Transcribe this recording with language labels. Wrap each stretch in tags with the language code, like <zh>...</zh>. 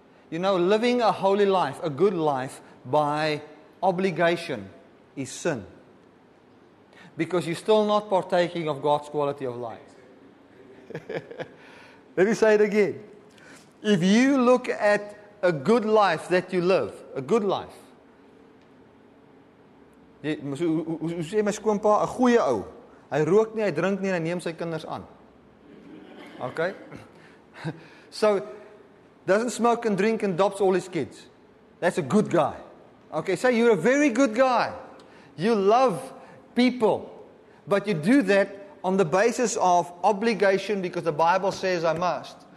<en>You know, living a holy life, a good life, by obligation is sin. Because you're still not partaking of God's quality of life. Let me say it again. If you look at a good life that you live, a good life.</en> <af>Hoe sê my skoonpa, 'n goeie ou. Hy rook nie, hy drink nie en hy neem sy kinders aan.</af> <en>Okay? So, doesn't smoke and drink and adopts all his kids. That's a good guy. Okay, say you're a very good guy. You love people. But you do that on the basis of obligation because the Bible says I must.</en>